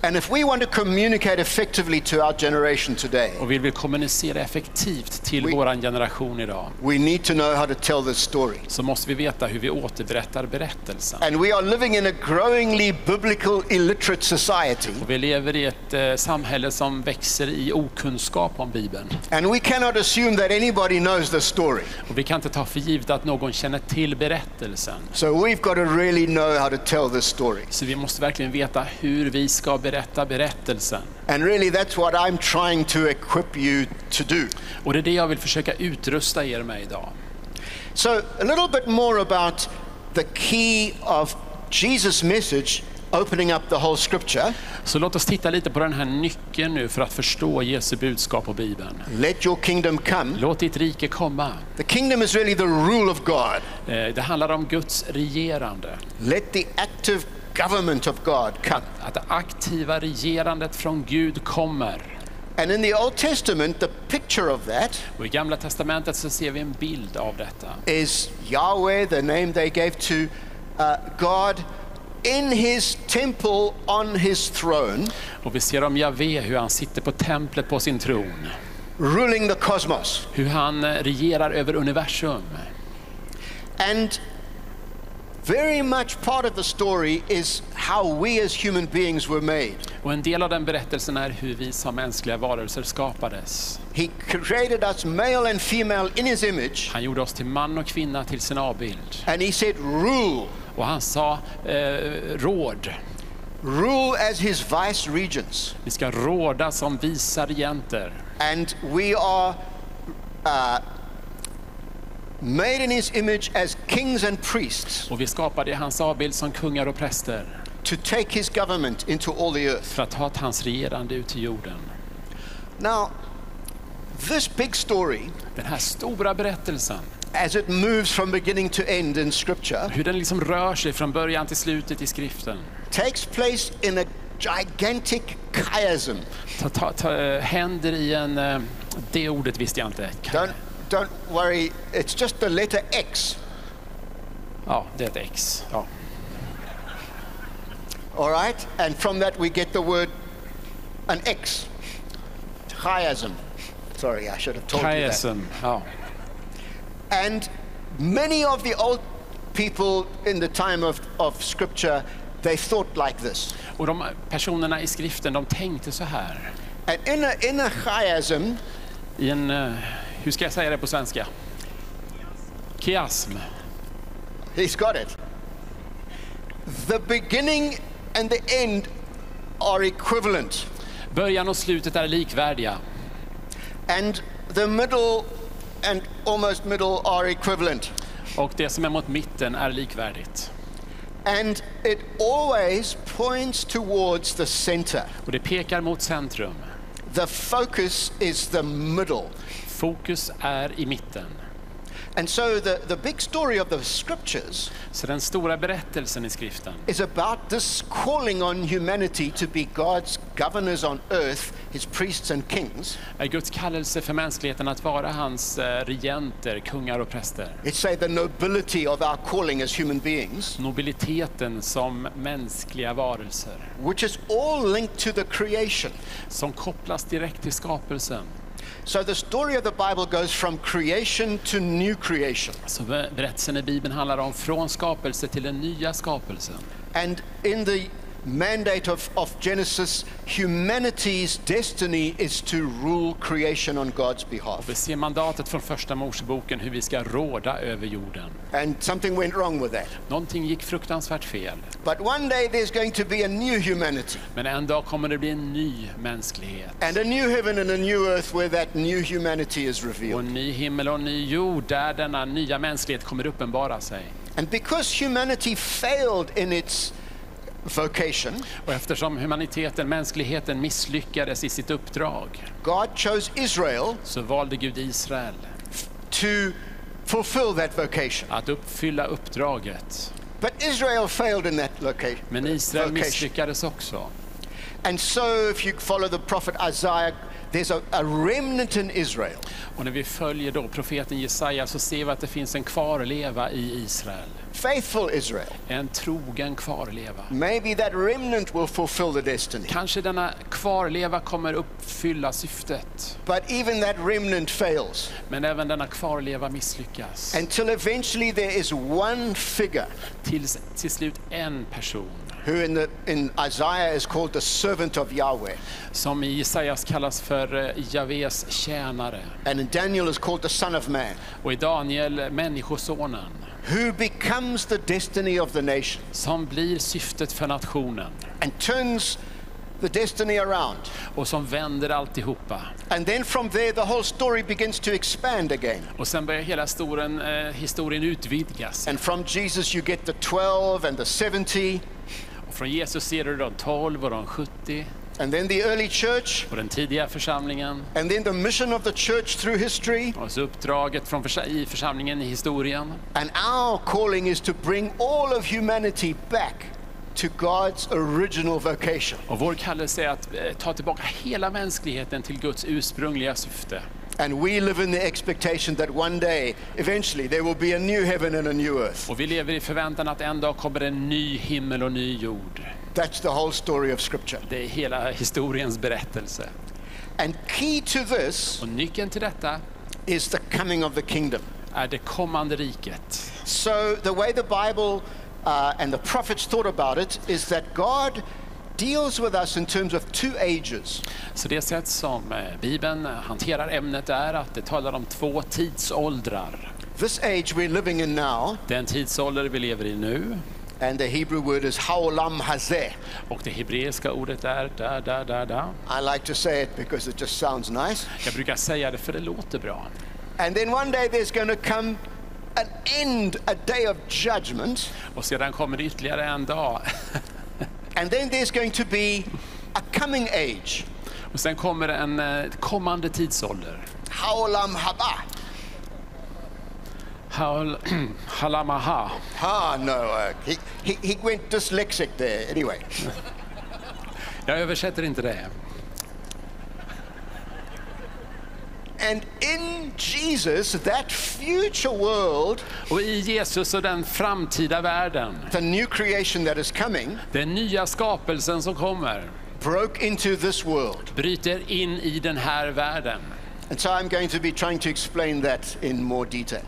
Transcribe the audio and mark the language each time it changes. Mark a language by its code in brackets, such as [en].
[en] And if we want to communicate effectively to our generation today. [sv] Och vill vi kommunicera effektivt till vår generation idag. [en] We need to know how to tell this story. [sv] Så måste vi veta hur vi återberättar berättelsen. [en] And we are living in a growingly biblical illiterate society. [sv] Och vi lever i ett samhälle som växer i okunskap om Bibeln. [en] And we cannot assume that anybody knows the story. [sv] Och vi kan inte ta för givet att någon känner till berättelsen. [en] So we've got to really know how to tell this story. [sv] Så vi måste verkligen veta hur vi ska berätta berättelsen. [en] And really that's what I'm trying to equip you to do. [sv] Och det är det jag vill försöka utrusta er med idag. [en] So a little bit more about the key of Jesus' message opening up the whole scripture. [sv] Så låt oss titta lite på den här nyckeln nu för att förstå Jesu budskap på Bibeln. [en] Let your kingdom come. [sv] Låt ditt rike komma. [en] The kingdom is really the rule of God. [sv] Det handlar om Guds regerande. [en] Let the active government of God come. [sv] Att det aktiva regerandet från Gud kommer. [en] And in the Old Testament, the picture of that, [sv] och i Gamla testamentet så ser vi en bild av detta. [en] Is Yahweh, the name they gave to God, in his temple on his throne. [sv] Och vi ser om Yahweh, hur han sitter på templet på sin tron. [en] Ruling the cosmos. [sv] Hur han regerar över universum. [en] And very much part of the story is how we as human beings were made. [sv] Och en del av den berättelsen är hur vi som mänskliga varelser skapades. [en] He created us male and female in his image. [sv] Han gjorde oss till man och kvinna till sin avbild. [en] And he said rule. [sv] Och han sa råd. [en] Rule as his vice regents. [sv] Vi ska råda som vice regenter. [en] And we are made in his image as kings and priests. [sv] Och vi skapade hans avbild som kungar och präster. [en] To take his government into all the earth. [sv] För att ta hans regerande ut i jorden. [en] Now, this big story. [sv] Den här stora berättelsen. [en] As it moves from beginning to end in scripture. [sv] Hur den liksom rör sig från början till slutet i skriften. [en] Takes place in a gigantic chiasm. [sv] Händer i en det ordet visste jag inte. [en] Don't worry, it's just the letter X. [sv] Ja, det är ett X. Ja. [en] All right, and from that we get the word an X. Chiasm. Sorry, I should have told chiasm. You that. [sv] Chiasm. Ja. [en] And many of the old people in the time of scripture, they thought like this. [sv] Och de personerna i skriften, de tänkte så här. [en] And in a chiasm, [sv] i en hur ska jag säga det på svenska? [en] Chiasm. He's got it. The beginning and the end are equivalent. [sv] Början och slutet är likvärdiga. [en] And the middle and almost middle are equivalent. [sv] Och det som är mot mitten är likvärdigt. [en] And it always points towards the center. [sv] Och det pekar mot centrum. [en] The focus is the middle. [sv] Fokus är i mitten. [en] And so the big story of the scriptures. [sv] Så den stora berättelsen i skriften. [en] Is about this calling on humanity to be God's governors on earth, his priests and kings. [sv] Är Guds kallelse för mänskligheten att vara hans regenter, kungar och präster. [en] It's say the nobility of our calling as human beings. [sv] Nobiliteten som mänskliga varelser. [en] Which is all linked to the creation. [sv] Som kopplas direkt till skapelsen. [en] So the story of the Bible goes from creation to new creation. [sv] Så berättelsen i Bibeln handlar om från skapelse till den nya skapelsen. [en] And in the mandate of Genesis, humanity's destiny is to rule creation on God's behalf. [sv] Vi ser mandatet från första Moseboken hur vi ska råda över jorden. [en] And something went wrong with that. [sv] Någonting gick fruktansvärt fel. [en] But one day there's going to be a new humanity. [sv] Men en dag kommer det bli en ny mänsklighet. [en] And a new heaven and a new earth where that new humanity is revealed. [sv] Och en ny himmel och en ny jord där denna nya mänsklighet kommer uppenbara sig. [en] And because humanity failed in its vocation. [sv] Och eftersom humaniteten, mänskligheten misslyckades i sitt uppdrag. [en] God chose Israel. [sv] Så valde Gud Israel. [en] To fulfill that vocation. [sv] Att uppfylla uppdraget. [en] But Israel failed in that location. [sv] Men Israel misslyckades också. [en] And so if you follow the prophet Isaiah, there's a remnant in Israel. [sv] Och när vi följer då profeten Jesaja så ser vi att det finns en kvarleva i Israel. [en] Faithful Israel. [sv] En trogen kvarleva. [en] Maybe that remnant will fulfill the destiny. [sv] Kanske denna kvarleva kommer uppfylla syftet. [en] But even that remnant fails. [sv] Men även denna kvarleva misslyckas. [en] Until eventually there is one figure. [sv] Till slut en person. [en] Who in Isaiah is called the servant of Yahweh. [sv] Som i Isaias kallas för Yahwehs tjänare. [en] And in Daniel is called the son of man. [sv] Och i Daniel människosonen. [en] Who becomes the destiny of the nation. [sv] Som blir syftet för nationen. [en] And turns the destiny around. [sv] Och som vänder alltihopa. [en] And then from there the whole story begins to expand again. [sv] Och sen börjar hela historien utvidgas. [en] And from Jesus you get the 12 and the 70. [sv] Från Jesus ser du de 12 och de 70. [en] And then the early church. [sv] Och den tidiga församlingen. [en] And then the mission of the church through history. [sv] Och så uppdraget från församlingen i historien. [en] And our calling is to bring all of humanity back. to God's original vocation. [sv] Och vår kallelse är att ta tillbaka hela mänskligheten till Guds ursprungliga syfte. [en] And we live in the expectation that one day, eventually, there will be a new heaven and a new earth. [sv] Och vi lever i förväntan att en dag kommer en ny himmel och ny jord. [en] That's the whole story of Scripture. [sv] Det är hela historiens berättelse. [en] And key to this, [sv] och nyckeln till detta, [en] is the coming of the kingdom. [sv] Är det kommande riket. [en] So the way the Bible and the prophets thought about it is that God deals with us in terms of two ages. [sv] Så det sätt som Bibeln hanterar ämnet är att det talar om två tidsåldrar. [en] This age we're living in now. [sv] Den tidsålder vi lever i nu. [en] And the Hebrew word is [he] haolam hazeh. [sv] Och det hebreiska ordet är da. [en] I like to say it because it just sounds nice. [sv] Jag brukar säga det för det låter bra. [en] And then one day there's going to come an end, a day of judgment. [sv] Och sedan kommer det ytterligare en dag. [en] And then there's going to be a coming age. [sv] Och sen kommer det en kommande tidsålder. [he] Haolam haba. Halamaha. [en] Ha, no, he went dyslexic there. Anyway. [sv] Jag översätter inte det. [en] And in Jesus, that future world, [sv] och i Jesus och den framtida världen, [en] the new creation that is coming, [sv] den nya skapelsen som kommer, [en] broke into this world, [sv] bryter in i den här världen. [en] And so I'm going to be trying to explain that in more detail.